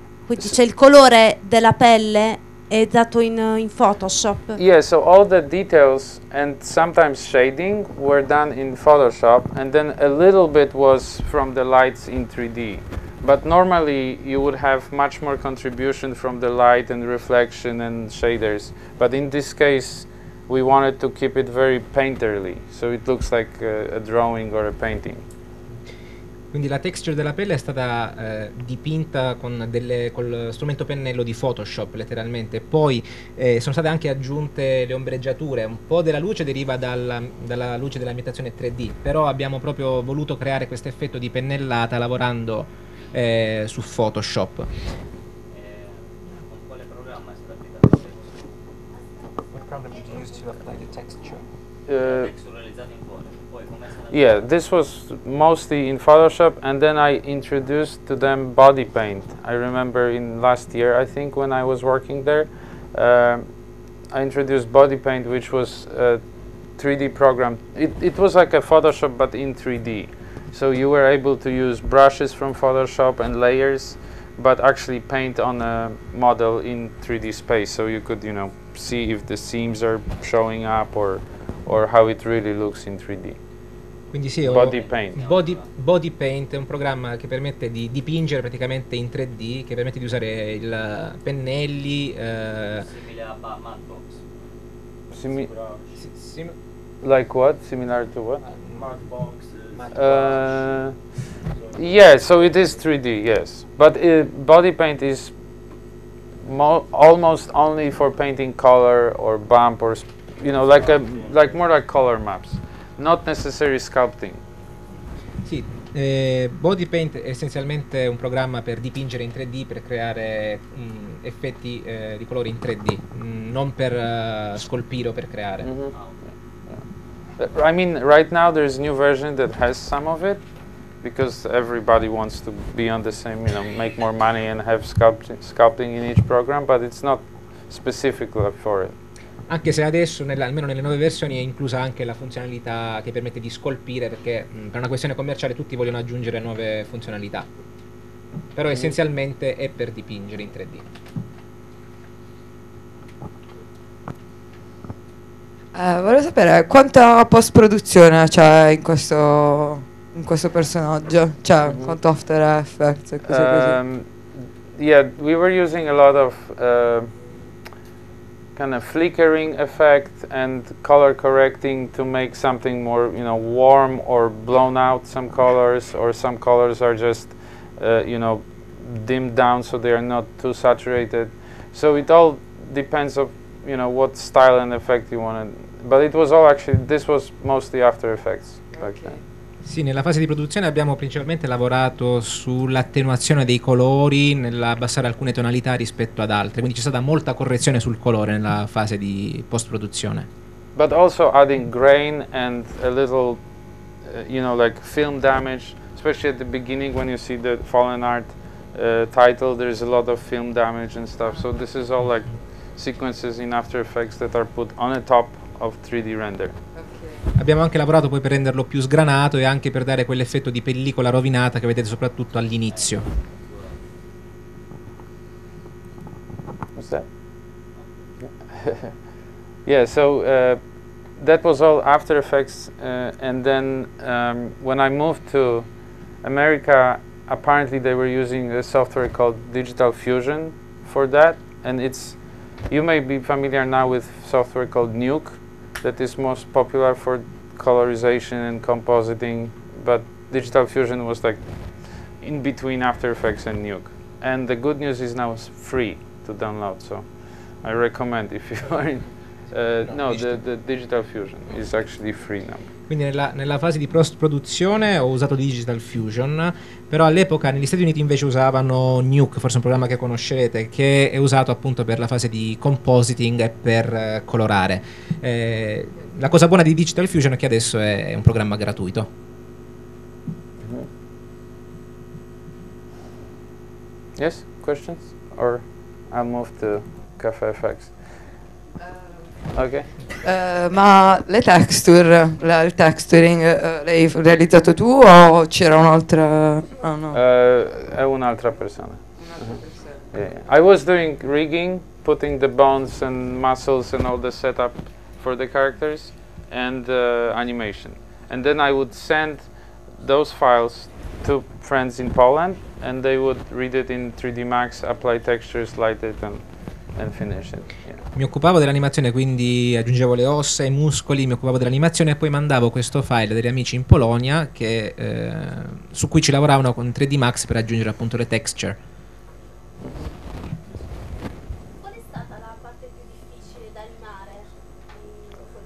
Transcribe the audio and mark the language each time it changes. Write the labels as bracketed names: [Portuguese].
[Italian] Quindi c'è il colore della pelle è dato in Photoshop. [English] Yeah, so all the details and sometimes shading were done in Photoshop and then a little bit was from the lights in 3D. But normally you would have much more contribution from the light and reflection and shaders. But in this case we wanted to keep it very painterly, so it looks like a drawing or a painting. [Italian] Quindi la texture della pelle è stata dipinta con strumento pennello di Photoshop, letteralmente. Poi sono state anche aggiunte le ombreggiature. Un po' della luce deriva dalla luce dell'ambientazione 3D, però abbiamo proprio voluto creare questo effetto di pennellata lavorando su Photoshop. Con quale programma è stato [English] program did you use to apply the texture? Yeah, this was mostly in Photoshop, and then I introduced to them body paint. I remember in last year, I think, when I was working there, I introduced body paint, which was a 3D program. It was like a Photoshop, but in 3D. So you were able to use brushes from Photoshop and layers, but actually paint on a model in 3D space. So you could, you know, see if the seams are showing up or how it really looks in 3D. [Italian] Quindi sì, body paint è un programma che permette di dipingere praticamente in 3D, che permette di usare il pennelli simile a matbox. [English] Like what? Similar to what? Matbox. Yeah, so it is 3D, yes. But body paint is almost only for painting color or bump or you know, like more like color maps. Not necessary sculpting. [Italian] Sì, body paint è essenzialmente un programma per dipingere in 3D, per creare effetti di colore in 3D, non per scolpire o per creare. Mm-hmm. [English] Yeah. I mean, right now there is a new version that has some of it, because everybody wants to be on the same, you know, make more money and have sculpting in each program, but it's not specific for it. [Italian] Anche se adesso, almeno nelle nuove versioni, è inclusa anche la funzionalità che permette di scolpire, perché per una questione commerciale tutti vogliono aggiungere nuove funzionalità. Però essenzialmente è per dipingere in 3D. Volevo sapere, quanta post-produzione c'è in questo personaggio? Cioè, quanto After Effects e cose così? [English] Yeah, we were using a lot of kind of flickering effect and color correcting to make something more, you know, warm or blown out some colors, or some colors are just, you know, dimmed down so they are not too saturated. So it all depends of, you know, what style and effect you wanted. But it was all actually, this was mostly After Effects back then. [Italian] Sì, nella fase di produzione abbiamo principalmente lavorato sull'attenuazione dei colori, nell'abbassare alcune tonalità rispetto ad altre, quindi c'è stata molta correzione sul colore nella fase di post-produzione. [English] But also adding grain and a little, you know, like film damage, especially at the beginning when you see the fallen art title, there's a lot of film damage and stuff, so this is all like sequences in After Effects that are put on the top of 3D render. [Italian] Abbiamo anche lavorato poi per renderlo più sgranato e anche per dare quell'effetto di pellicola rovinata che vedete soprattutto all'inizio. [English] What's that? Yeah, so that was all After Effects, and then when I moved to America, apparently they were using a software called Digital Fusion for that, and it's, you may be familiar now with software called Nuke, that is most popular for colorization and compositing, but Digital Fusion was like in between After Effects and Nuke. And the good news is now it's free to download, so I recommend if you are in... The Digital Fusion is actually free now. [Italian] Quindi nella fase di post-produzione ho usato Digital Fusion, però all'epoca negli Stati Uniti invece usavano Nuke, forse un programma che conoscerete, che è usato appunto per la fase di compositing e per colorare. La cosa buona di Digital Fusion è che adesso è un programma gratuito. [English] Mm-hmm. Yes, questions? Or I'll move to Cafe FX. Okay. [Italian] Ma le texture, il texturing, l'hai realizzato tu o c'era un'altra? Oh no. È un'altra persona. Yeah. [English] I was doing rigging, putting the bones and muscles and all the setup for the characters and animation. And then I would send those files to friends in Poland and they would read it in 3D Max, apply textures, light it and finish it. [Italian] Mi occupavo dell'animazione, quindi aggiungevo le ossa, i muscoli, mi occupavo dell'animazione e poi mandavo questo file a degli amici in Polonia che, su cui ci lavoravano con 3D Max per aggiungere appunto le texture. Qual è stata la parte più difficile da animare?